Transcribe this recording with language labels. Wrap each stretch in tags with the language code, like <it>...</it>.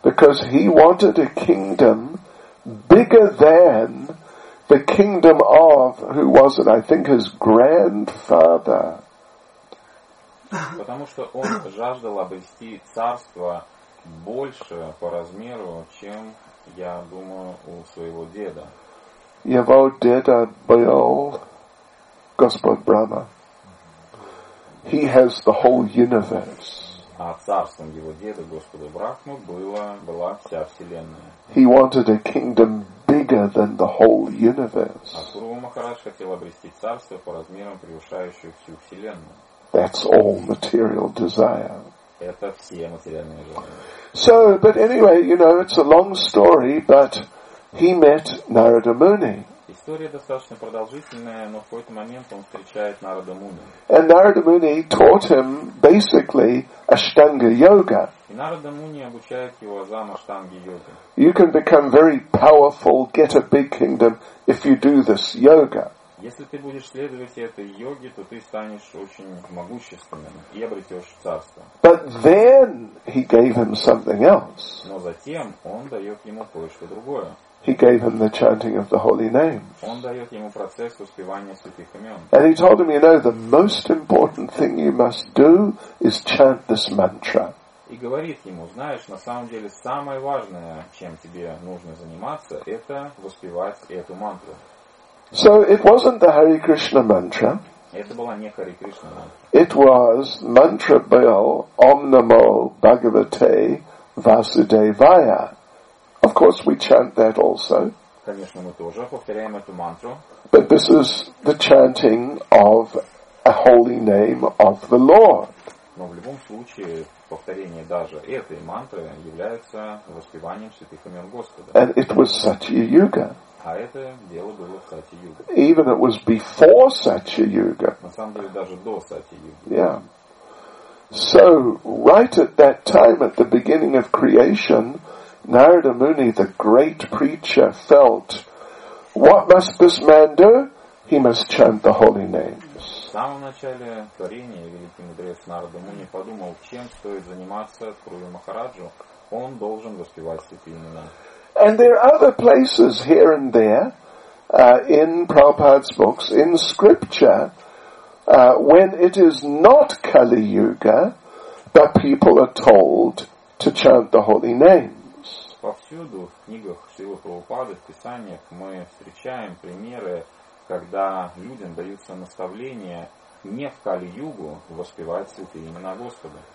<en>Because he wanted a kingdom bigger than the kingdom of, who was it, I think his grandfather.</en> <ru>Потому что он жаждал обрести царство больше по размеру, чем, я думаю, у своего деда. Его деда был Господь Брахма.</ru> <en>He has the whole universe.</en> <ru>А царством его деда, Господа Брахмы, была вся Вселенная.</ru> <en>He wanted a kingdom bigger than the whole universe.</en> <ru>А Дхрува Махарадж хотел обрести царство по размерам, превышающее всю Вселенную.</ru> <en>That's all material desire.</en> <ru>Это все материальные желания.</ru> <en>So, but anyway, you know, it's a long story, but he met Narada Muni.</en> <ru>История достаточно продолжительная, но в какой-то момент он встречает Нарада Муни.</ru> <en>And Narada Muni taught him basically Ashtanga Yoga.</en> <ru>И Нарада Муни обучает его азам Аштанги Йоги.</ru> <en>You can become very powerful, get a big kingdom if you do this yoga.</en> <ru>Если ты будешь следовать этой йоге, то ты станешь очень могущественным и обретешь царство.</ru> <en>But then he gave him something else.</en> <ru>Но затем он дает ему кое-что другое.</ru> <en>He gave him the chanting of the holy names.</en> <ru>Он дает ему процесс воспевания святых имен.</ru> <en>And he told him, you know, the most important thing you must do is chant this mantra.</en> <ru>И говорит ему, знаешь, на самом деле самое важное, чем тебе нужно заниматься, это воспевать эту мантру.</ru> <en>So it wasn't the Hare Krishna mantra.</en> <ru>Это была не Hare Krishna mantra.</ru> <en>It was mantra bell Om Namo Bhagavate Vasudevaya. Of course, we chant that also.</en> <ru>Конечно, мы тоже повторяем эту мантру.</ru> <en>But this is the chanting of a holy name of the Lord.</en> <ru>Но в любом случае, повторение даже этой мантры является воспеванием святых имен Господа.</ru> <en>And it was Satya-Yuga.</en> <ru>А это дело было в Сати-Юге.</ru> <en>Even it was before Satya-Yuga.</en> <ru>На самом деле, даже до Сати-Юги.</ru> <en>Yeah. So, right at that time, at the beginning of creation, Narada Muni, the great preacher, felt, what must this man do? He must chant the holy names.</en> <ru>В самом начале творения великий мудрец Нарада Муни подумал, чем стоит заниматься Пруви Махараджу. Он должен воспевать святые имена.</ru> <en>And there are other places here and there in Prabhupada's books, in scripture, when it is not Kali Yuga, but people are told to chant the holy names.</en> <ru>Повсюду в книгах Шрилы Прабхупады, в писаниях, мы встречаем примеры, когда людям даются наставления не в Кали Югу воспевать святые имена Господа.</ru>